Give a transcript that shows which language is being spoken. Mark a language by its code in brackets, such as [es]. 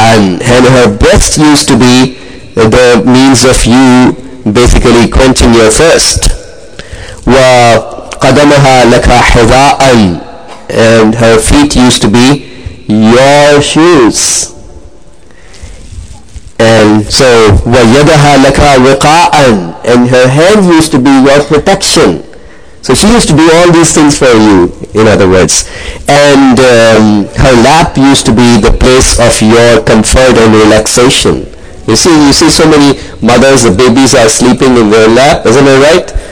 [en] And her breast used to be the means of you basically quenching your thirst. [ar] وَقَدَمَهَا لَكَ حِذَاءً. [en] And her feet used to be your shoes. [ar] And so, وَيَدَهَا لَكَ وِقَاءً. [en] And her hand used to be your protection. So she used to do all these things for you, in other words. And her lap used to be the place of your comfort and relaxation. You see so many mothers, the babies are sleeping in their lap, isn't it right?